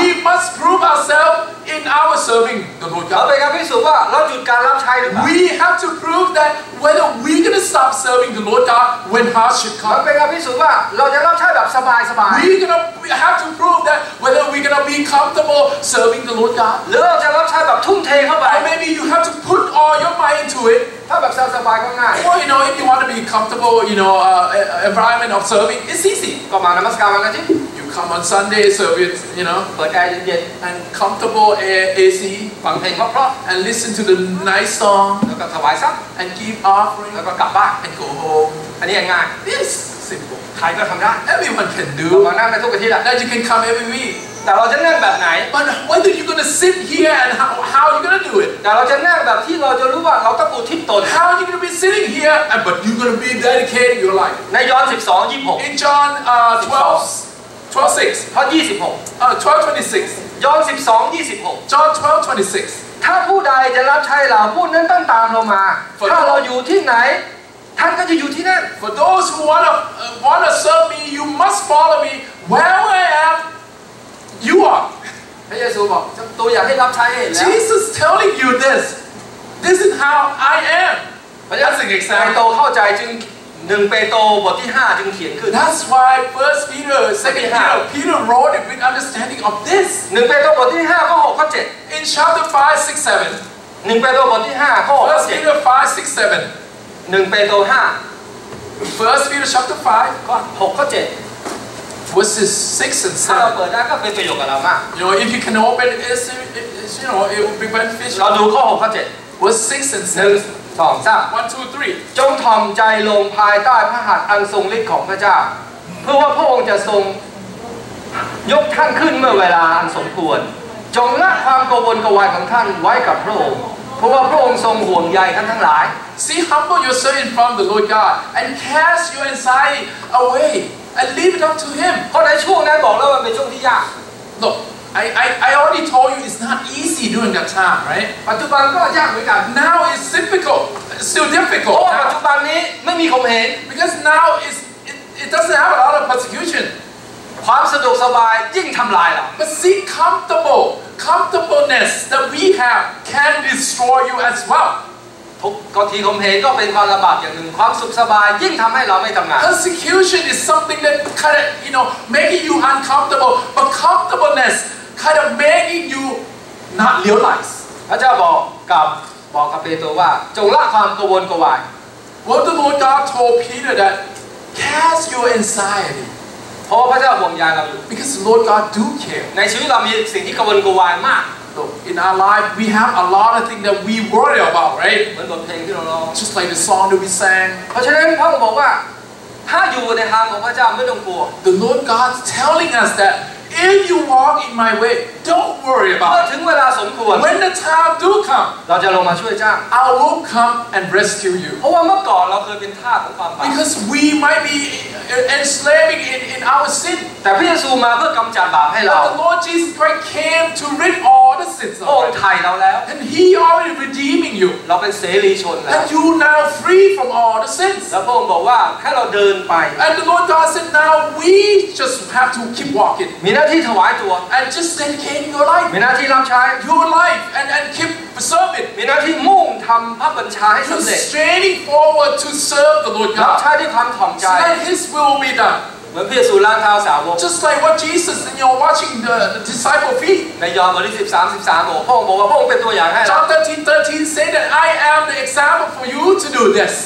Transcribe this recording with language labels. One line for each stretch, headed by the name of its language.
English: We must prove ourselvesIn our serving the Lord God.
Thai: เราเป็นการพิสูจน์ว่าเราหยุดการรับใช้หรือเปล่า
English: We have to prove that whether we're gonna stop serving the Lord God when hardship comes.
Thai: เราเป็นการพิสูจน์ว่าเราจะรับใช้แบบสบายสบาย
English: We're gonna have to prove that whether we're gonna be comfortable serving the Lord God.
Thai: หรือเราจะรับใช้แบบทุ่มเทเข้าไป
English: Or maybe you have to put all your mind into it.
Thai: ถ้าแบบสบายก็ง่าย
English: Well, you know, if you want to be comfortable, you know, environment of serving, it's easy.
Thai: ก็มานมัสการกันจิ
English: Come on Sunday, so it's, you know, and comfortable air, AC, and listen to the nice song, and give offering, and go home. This is simple. Everyone can do. Now you can come every week.
Thai: แต่เราจะนั่งแบบไหน
English: But when are you gonna sit here and how you gonna do it
Thai: แต่เราจะนั่งแบบที่เราจะรู้ว่าเราต้องอุทิศตน
English: How are you gonna be sitting here and but you gonna be dedicated your life
Thai: ในยอห์น 12:26
English: In John 12:26
Thai: 12:26 ยอห์น 12:26
English: John 12:26
Thai: ถ้าผู้ใดจะรับใช้เราผู้นั้นต้องตามเรามาถ้าเราอยู่ที่ไหนท่านก็จะอยู่ที่นั่น
English: For those who wanna serve me you must follow me wherever I am you are
Thai: พระเยซูบอกตัวอย่างให้รับใช้แล้ว
English: Jesus telling you this this is how I am
Thai: พระเยซูเข้าใจจึง1เปโตรบทที่5จึงเขียนขึ้น
English: That's why first Peter second Peter wrote it with understanding of this
Thai: 1เปโตรบทที่5ข้อ6ข้อ7
English: In chapter 5 6 7
Thai: 1เปโตรบทที่5ข้อ6
English: First Peter 5 6 7
Thai: 1เปโตร5
English: First Peter chapter 5
Thai: ข้อ6ข้อ7
English: Verses 6 and 7
Thai: ถ้าเราเปิดได้ก็เป็นประโยชน์กับเรามาก
English: You know if you can open it is you know it will be beneficial
Thai: เราดูข้อ6ข้อ7
English: Verse 6 and
Thai: 7สองสาม
English: one two three
Thai: จงถ่อมใจลงภายใต้พระหัตถ์อันทรงฤทธิ์ของพระเจ้าเพื่อว่าพระองค์จะทรงยกท่านขึ้นเมื่อเวลาอันสมควรจงละความกังวลกังวายของท่านไว้กับพระองค์เพราะว่าพระองค์ทรงห่วงใยท่านทั้งหลาย
English: see humble yourself in front of the Lord God and cast your anxiety away and leave it up to Him
Thai: เพราะในช่วงนั้นบอกแล้วว่าเป็นช่วงที่ยาก
English: look I already told you it's not easy during that time, right?
Thai: ปัจจุบันก็ยากเหมือนกัน
English: Now it's difficult, still difficult.
Thai: ปัจจุบันนี้ไม่มีความเห็น
English: Because now it doesn't have a lot of persecution.
Thai: ความสะดวกสบายยิ่งทำลายเรา
English: But see comfortableness that we have can destroy you as well.
Thai: ทุกทีความเห็นก็เป็นความลำบากอย่างหนึ่งความสุขสบายยิ่งทำให้เราไม่ทำงาน
English: Persecution is something that kind of you know making you uncomfortable, but comfortableness. Kind of making you not realize.
Thai: พระเจ้าบอกกับเปโตรว่าจงละความกังวลกังวาย
English: What the Lord God told Peter that cast your anxiety.
Thai: เพราะพระเจ้าห่วงใยเรา
English: Because the Lord God do care.
Thai: ในชีวิตเรามีสิ่งที่กังวลกังวายมาก
English: So in our life we have a lot of things that we worry about, right?
Thai: เหมือนบทเพลงที่เราร้อง
English: Just like the song that we sang.
Thai: เพราะฉะนั้นพระองค์บอกว่าถ้าอยู่ในทางของพระเจ้าไม่ต้องกลัว
English: The Lord God telling us that. If you walk in my way, don't worry about it. When the time do come,
Thai: เราจะลงมาช่วยเจ้า
English: I will come and rescue you.
Thai: เพราะว่าเมื่อก่อนเราเคยเป็นทาสของความบาป
English: Because we might be enslaving in our sin.
Thai: แต่พระเยซูมาเพื่อกำจัดบาปให้เรา
English: But the Lord Jesus Christ came to rid all the sins of
Thai: us. องค์ไถ่เราแล้ว
English: And He already redeeming you.
Thai: เราเป็นเสรีชนแล้ว
English: And you now free from all the sins.
Thai: แล้วพระองค์บอกว่าแค่เราเดินไป
English: And the Lord God said, now we just have to keep walking.
Thai: หน้าที่ถวายตัว
English: and just dedicate your life
Thai: มีหน้าที่รับใช้
English: your life and keep serving
Thai: มีหน้าที่มุ่งทำพระบัญชาให้สำเร็จ
English: just straining forward to serve the Lord God
Thai: รับใช้ด้วยความถ่อมใจ
English: so that His will be done
Thai: เหมือนพระเยซูล้างเท้าสาวก
English: just like what Jesus and you're watching the disciple feet
Thai: ในยอห์นบทที่13:13บอกพระองค์บอกว่าพระองค์เป็นตัวอย่างให้
English: John 13:13 say that I am the example for you to do this